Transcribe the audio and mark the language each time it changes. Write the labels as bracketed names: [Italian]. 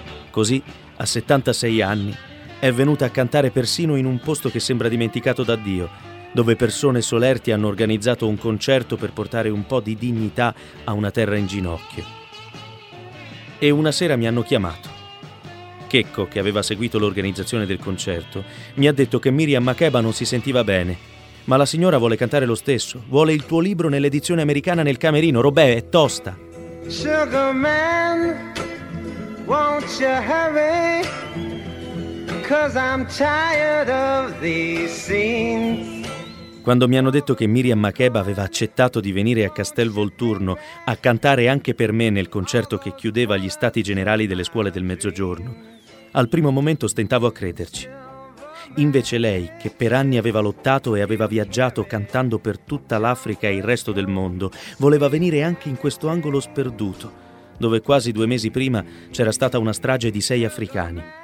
[Italian] Così, a 76 anni, è venuta a cantare persino in un posto che sembra dimenticato da Dio, dove persone solerti hanno organizzato un concerto per portare un po' di dignità a una terra in ginocchio. E una sera mi hanno chiamato. Checco, che aveva seguito l'organizzazione del concerto, mi ha detto che Miriam Makeba non si sentiva bene, ma la signora vuole cantare lo stesso, vuole il tuo libro nell'edizione americana nel camerino, robè, è tosta! [English] Sugar man, won't you have it? 'Cause I'm tired of these scenes. [Italian] Quando mi hanno detto che Miriam Makeba aveva accettato di venire a Castel Volturno a cantare anche per me nel concerto che chiudeva gli stati generali delle scuole del Mezzogiorno, al primo momento stentavo a crederci. Invece lei, che per anni aveva lottato e aveva viaggiato cantando per tutta l'Africa e il resto del mondo, voleva venire anche in questo angolo sperduto, dove quasi due mesi prima c'era stata una strage di 6 africani.